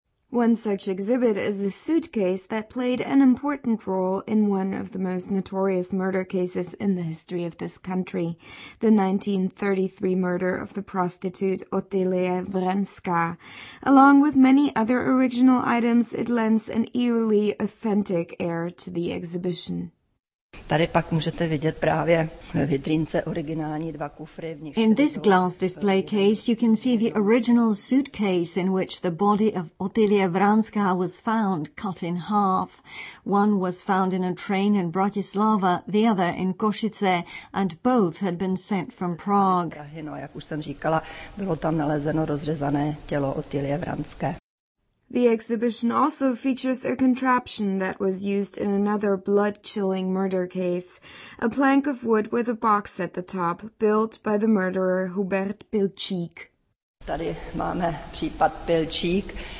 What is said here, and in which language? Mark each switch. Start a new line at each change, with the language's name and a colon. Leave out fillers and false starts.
English: One such exhibit is a suitcase that played an important role in one of the most notorious murder cases in the history of this country, the 1933 murder of the prostitute Otilie Vrenská. Along with many other original items, it lends an eerily authentic air to the exhibition.
Czech: Tady pak můžete vidět právě ve vitrince originální dva kufry.
English: In this glass display case, you can see the original suitcase in which the body of Otilia Vranská was found, cut in half. One was found in a train in Bratislava, the other in Košice, and both had been sent from Prague.
Czech: No, jak už jsem říkala, bylo tam nalezeno rozřezané tělo Otilie Vranské.
English: The exhibition also features a contraption that was used in another blood-chilling murder case, a plank of wood with a box at the top, built by the murderer Hubert Pilčík.
Czech: Tady máme případ Pilčík.